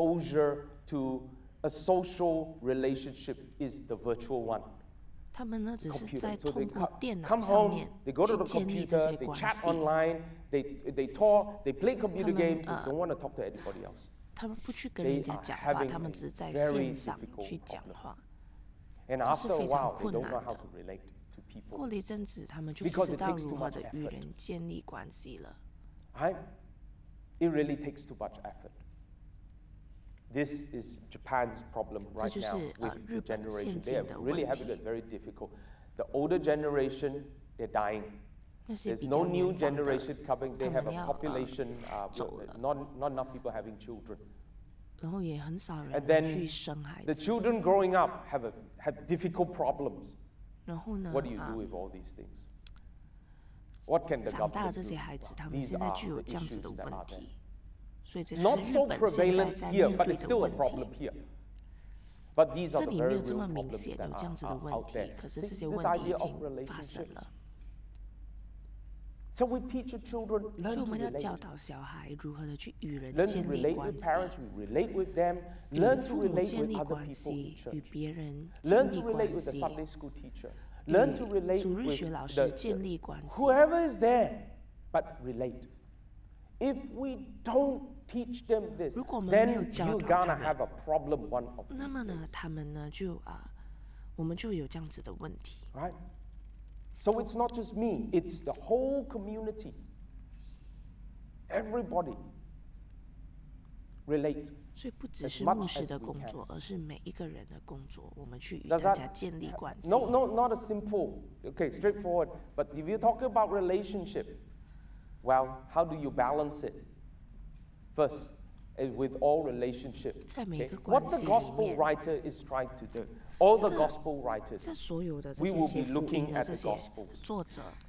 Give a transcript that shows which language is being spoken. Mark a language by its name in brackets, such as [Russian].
[English] Exposure to a social relationship is the virtual one. [Chinese] 他们呢只是在通过电脑上面去建立这些关系。 [English] They chat online, they talk, they play computer games. They don't want to talk to anybody else. [Chinese] 他们不去跟人家讲话，他们只是在线上去讲话，这是非常困难的。过了一阵子，他们就不知道如何的与人建立关系了。 [English] It really takes too much effort. This is Japan's problem right now with the generation. They're really having it very difficult. The older generation, they're dying. There's no new generation coming. They have a population not enough people having children. [Chinese] 然后也很少人去生孩子。 [English] The children growing up have difficult problems. What do you do with all these things? What can the government do? [Chinese] 长大这些孩子，他们现在具有这样子的问题，所以这是 [English] Not so prevalent here, but it's still a problem here. But these are the very real problems that are out there. [Chinese] 可是这些问题已经发生了。 [English] So we teach the children learn to relate. [Chinese] 所以我们要教导小孩如何的去与人建立关系。 [English] Parents relate with them. Learn to relate with other people. [Chinese] 与别人建立关系。 [English] Learn to relate with the Sunday Learn to relate with whoever is there, but relate. If we don't teach them this, then you're gonna have a problem one of these days. [Chinese] 那么呢，他们呢就我们就有这样子的问题。 [English] Right? So it's not just me, it's the whole community. Everybody relate. [Chinese] 所以不只是牧师的工作，而是每一个人的工作，我们去与大家建立关系。 [English] No, not a simple, okay, straightforward. But if you talk about relationship, well, how do you balance it? First, with all relationships. [Chinese] 在每一个关系里面。 [English] What the gospel writer is trying to do, all the gospel writers, [Chinese] 这所有的这些福音的这些作者。